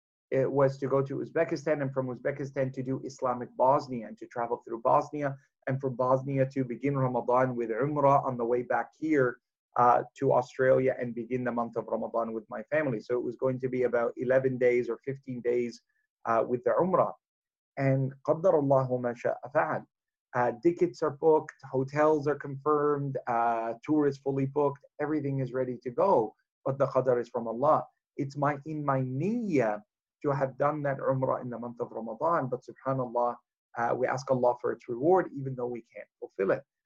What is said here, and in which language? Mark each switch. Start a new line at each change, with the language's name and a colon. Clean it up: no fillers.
English: It was to go to Uzbekistan and from Uzbekistan to do Islamic Bosnia and to travel through Bosnia and from Bosnia to begin Ramadan with Umrah on the way back here to Australia and begin the month of Ramadan with my family. So it was going to be about 11 days or 15 days with the Umrah.
Arabic: And قَدَّرَ اللَّهُ مَا شَاءَ فَعَلْ.
English: Tickets are booked, hotels are confirmed, tour is fully booked, everything is ready to go, but the qadr is from Allah. It's in my niyyah to have done that Umrah in the month of Ramadan, but subhanAllah, we ask Allah for its reward, even though we can't fulfill it.